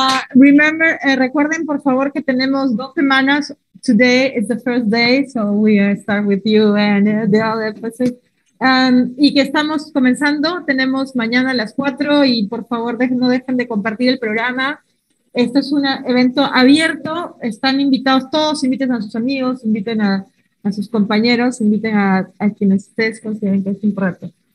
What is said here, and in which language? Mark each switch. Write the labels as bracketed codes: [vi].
[en] Remember, [es] recuerden por favor que tenemos dos semanas. [en] Today is the first day, so we start with you and the other person. [es] Y que estamos comenzando, tenemos mañana a las 4 y por favor no dejen de compartir el programa. Esto es un evento abierto, están invitados todos, inviten a sus amigos, inviten a sus compañeros, inviten a quienes ustedes consideren que es importante.